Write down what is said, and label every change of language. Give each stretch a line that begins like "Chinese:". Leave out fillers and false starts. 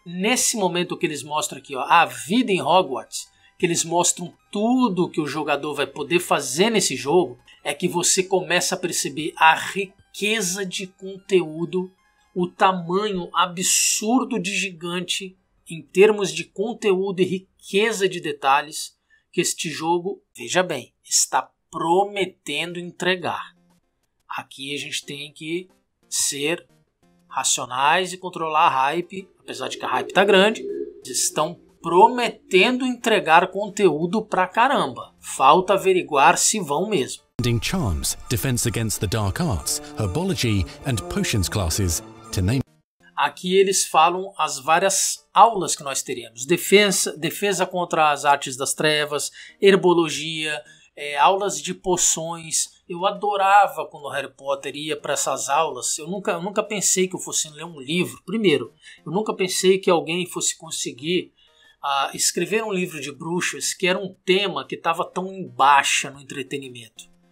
Portuguese: Nesse momento que eles mostram aqui, ó, a vida em Hogwarts, que eles mostram tudo que o jogador vai poder fazer nesse jogo, é que você começa a perceber a riqueza de conteúdo, o tamanho absurdo de gigante em termos de conteúdo e riqueza de detalhes que este jogo, veja bem, está prometendo entregar. Aqui a gente tem que ser racionais e controlar a hype, apesar de que a hype tá grande, estão prometendo entregar conteúdo pra caramba. Falta averiguar se vão mesmo.
English: Charms, defense against the dark arts, herbology and potions classes, to name...
Portuguese: Aqui eles falam as várias aulas que nós teremos. Defesa contra as artes das trevas, herbologia, aulas de poções. Eu adorava quando Harry Potter ia para essas aulas. Eu nunca pensei que eu fosse ler um livro. Primeiro, eu nunca pensei que alguém fosse conseguir escrever um livro de bruxas, que era um tema que estava tão em baixa no entretenimento.